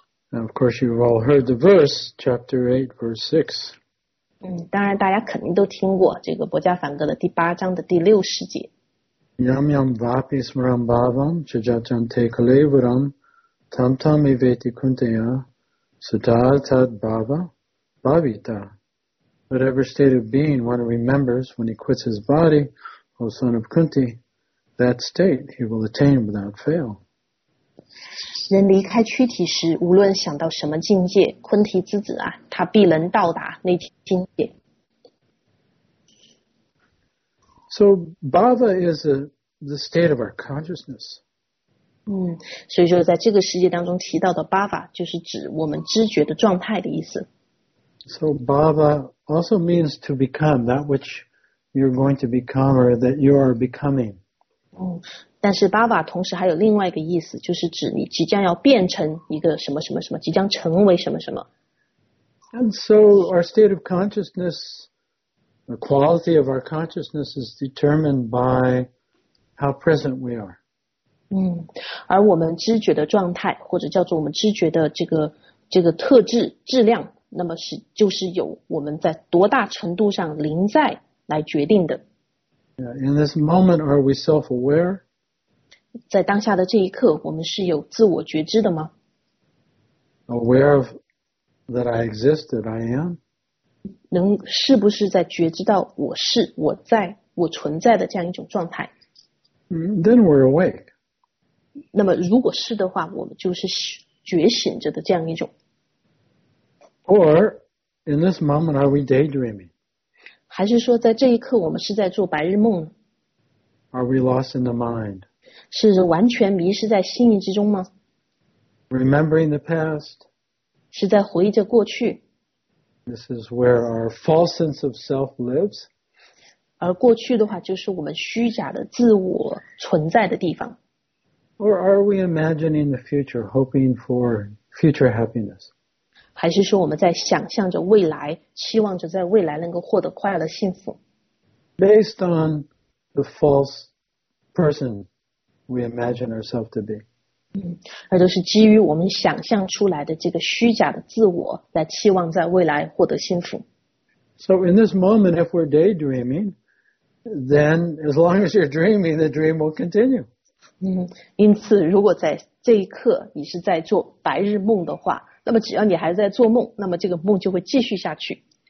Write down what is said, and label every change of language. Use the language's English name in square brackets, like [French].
[English] Now, of course, you've all heard the verse, chapter 8, verse 6. [Chinese] 嗯，当然大家肯定都听过这个《薄伽梵歌》的第八章的第六十节。 [Sanskrit] Yam yam vapi smaram bhavam chajajam te kalevaram tam tam iveti kunteya sadatat bhava bhavita. [English] Whatever state of being one remembers when he quits his body, O son of Kunti, that state he will attain without fail. [Chinese] 人离开躯体时，无论想到什么境界，昆提之子啊，他必能到达那境界。 [English] So bhava is the state of our consciousness. [Chinese] 嗯，所以说在这个世界当中提到的 bhava 就是指我们知觉的状态的意思。 [English] So bhava also means to become, that which you're going to become or that you are becoming. [Chinese] 嗯，但是巴巴同时还有另外一个意思，就是指你即将要变成一个什么什么什么，即将成为什么什么。 [English] And so our state of consciousness, the quality of our consciousness is determined by how present we are. [Chinese] 嗯，而我们知觉的状态，或者叫做我们知觉的这个特质质量，那么是就是由我们在多大程度上临在来决定的。 [English] Yeah, in this moment, are we self-aware? [Chinese] 在当下的这一刻，我们是有自我觉知的吗？ [English] Aware of that I exist, that I am. [Chinese] 能是不是在觉知到我是我在我存在的这样一种状态？ [English] Then we're awake. [Chinese] 那么如果是的话，我们就是觉醒着的这样一种。 [English] Or, in this moment, are we daydreaming? [Chinese] 还是说在这一刻我们是在做白日梦？ [English] Are we lost in the mind? [Chinese] 是完全迷失在心意之中吗？ [English] Remembering the past? [Chinese] 是在回忆着过去？ [English] This is where our false sense of self lives? [Chinese] 而过去的话就是我们虚假的自我存在的地方。 [English] Or are we imagining the future, hoping for future happiness? [Chinese] 还是说我们在想象着未来，期望着在未来能够获得快乐幸福？ [English] Based on the false person we imagine ourselves to be. [Chinese] 嗯，那就是基于我们想象出来的这个虚假的自我，来期望在未来获得幸福。 [English] So in this moment, if we're daydreaming, then as long as you're dreaming, the dream will continue. [Chinese] 因此如果在这一刻你是在做白日梦的话，那么只要你还在做梦，那么这个梦就会继续下去。